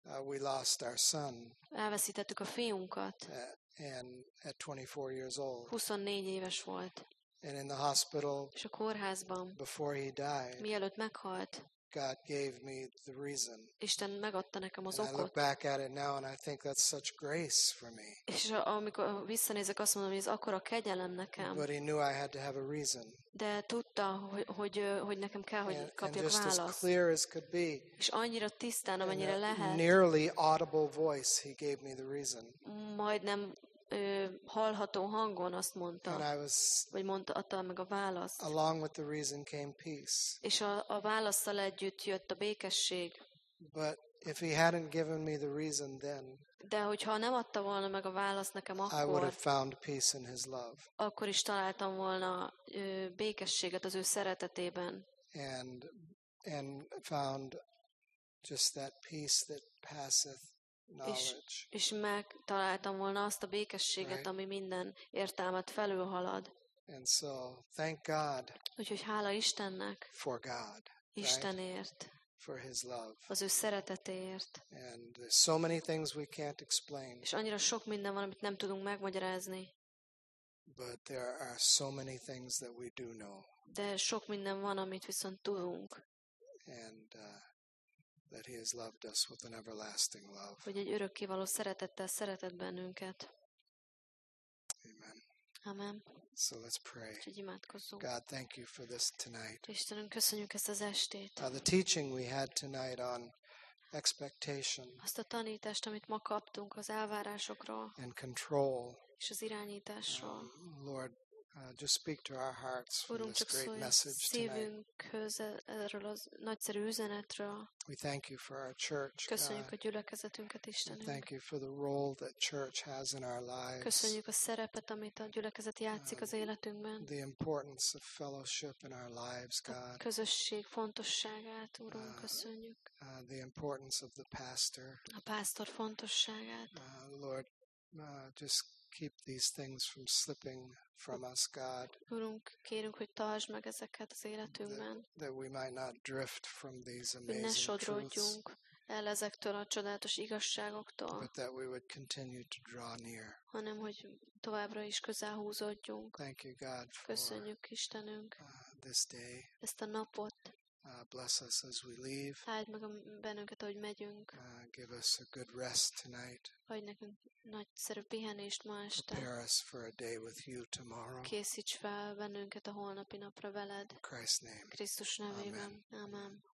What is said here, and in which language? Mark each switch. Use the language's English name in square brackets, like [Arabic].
[English] We lost our son. [Hungarian] Elveszítettük a fiunkat. [English] At 24 years old. [Hungarian] 24 éves volt. [English] And in the hospital. [Hungarian] És a kórházban. [English] Before he died. [Hungarian] Mielőtt meghalt. [English] God gave me the reason. [Hungarian] Isten megadta nekem az okot. [English] I look back at it now and I think that's such grace for me. [Hungarian] És amikor visszanézek, azt mondom, hogy ez akkora kegyelem nekem. [English] But he knew I had to have a reason. [Hungarian] De tudta, hogy nekem kell, hogy kapjak választ. [English] And just as clear as could be. [Hungarian] És annyira tisztán, amennyire lehet. [English] Nearly audible voice, he gave me the reason. [Hungarian] Majdnem hallható hangon azt mondta, vagy mondta, adta meg a választ. [English] Along with the reason came peace. [Hungarian] És a válaszsal együtt jött a békesség. [English] But if he hadn't given me the reason then, [Hungarian] de hogyha nem adta volna meg a választ nekem akkor, [English] I would have found peace in his love. [Hungarian] Akkor is találtam volna békességet az ő szeretetében. [English] And found just that peace that passeth knowledge. [Hungarian] És megtaláltam volna azt a békességet, right? Ami minden értelmet felülhalad. [English] And so, thank God. [Hungarian] Úgyhogy hála Istennek. [English] For God. [Hungarian] Istenért. [English] Right? For his love. [Hungarian] Az ő szeretetéért. [English] And so many things we can't explain. [Hungarian] És annyira sok minden van, amit nem tudunk megmagyarázni. [English] But there are so many things that we do know. [Hungarian] De sok minden van, amit viszont tudunk. [English] That he has loved us with an everlasting love. [Hungarian] Hogy egy örökkévaló szeretettel szeretett bennünket. [English] Amen. [Hungarian] Amen. [English] So let's pray. [Hungarian] Úgyhogy imádkozzunk. [English] God, thank you for this tonight. [Hungarian] Istenünk, köszönjük ezt az estét. [English] The teaching we had tonight on expectation. [Hungarian] Azt a tanítást, amit ma kaptunk az elvárásokról. [English] And control. [Hungarian] És az irányításról. [English] Lord, just speak to our hearts for this great message tonight. We thank you for our church. [Hungarian] Köszönjük a gyülekezetünket, Istenünk. [English] Thank you for the role that church has in our lives. [Hungarian] Köszönjük a szerepet, amit a gyülekezet játszik az életünkben. [English] The importance of fellowship in our lives, God. [Hungarian] A közösség fontosságát, Urunk, köszönjük. [English] The importance of the pastor. [Hungarian] A pásztor fontosságát. [English] Lord, just keep these things from slipping from us, God. [Hungarian] Urunk, kérünk, hogy tartsd meg ezeket az életünkben. [English] That we might not drift from these amazing truths. [Hungarian] Ne sodródjunk el ezektől a csodálatos igazságoktól. [English] But that we would continue to draw near. [Hungarian] Hanem, hogy továbbra is közel húzódjunk. [English] Thank you, God, for [Hungarian] köszönjük, Istenünk, [English] this day. [Hungarian] Ezt a napot. [English] Bless us as we leave. [Hungarian] Áld meg bennünket, ahogy megyünk. [English] Give us a good rest tonight. [Hungarian] Adj nekünk nagyszerű pihenést ma este. [English] Prepare us for a day with you tomorrow. [Hungarian] Készíts fel bennünket a holnapi napra veled. [English] In Christ's name. [Hungarian] Krisztus nevében. Amen. Amen.